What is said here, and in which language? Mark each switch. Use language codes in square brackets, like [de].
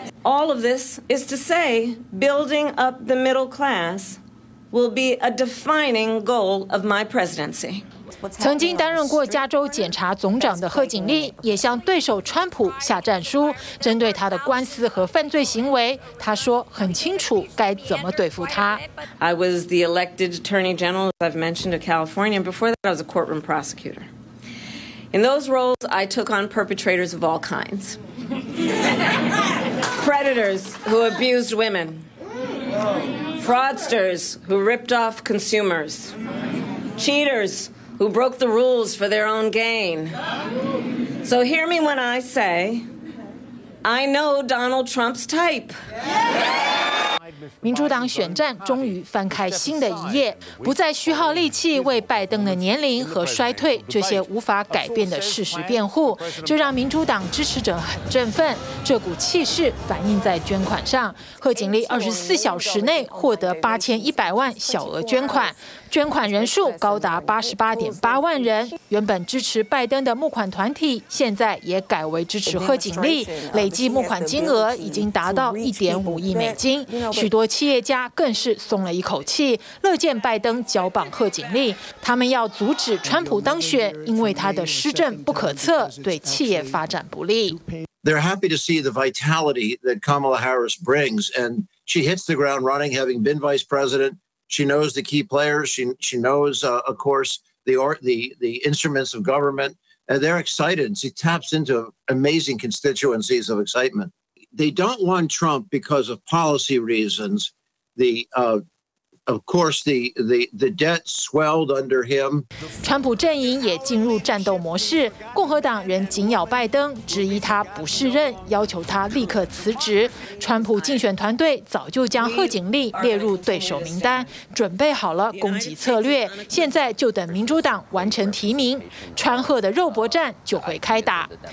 [en] All of this is to say building up the middle class. Will be a defining goal of my presidency. [zh] 曾经担任过加州检察总长的贺锦丽也向对手川普下战书，针对他的官司和犯罪行为，他说很清楚该怎么对付他。 [en] I was the elected attorney general, as I've mentioned, of California. Before that, I was a courtroom prosecutor. In those roles, I took on perpetrators of all kinds, predators who abused women. Fraudsters who ripped off consumers, cheaters who broke the rules for their own gain. So hear me when I say, I know Donald Trump's type. [zh] 民主党选战终于翻开新的一页，不再虚耗力气为拜登的年龄和衰退这些无法改变的事实辩护，这让民主党支持者很振奋。这股气势反映在捐款上，贺锦丽24小时内获得8100万小额捐款，捐款人数高达88.8万人。原本支持拜登的募款团体现在也改为支持贺锦丽，累计募款金额已经达到$1.5亿。许多企业家更是松了一口气，乐见拜登交棒贺锦丽。他们要阻止川普当选，因为他的施政不可测，对企业发展不利。 [en] They're happy to see the vitality that Kamala Harris brings, and she hits the ground running, having been vice president. She knows the key players. She knows, of course, the instruments of government, and they're excited. She taps into amazing constituencies of excitement. They don't want Trump because of policy reasons. Of course, the debt swelled under him. [zh] 川普阵营也进入战斗模式，共和党人紧咬拜登，质疑他不适任，要求他立刻辞职。川普竞选团队早就将贺锦丽列入对手名单，准备好了攻击策略，现在就等民主党完成提名，川贺的肉搏战就会开打。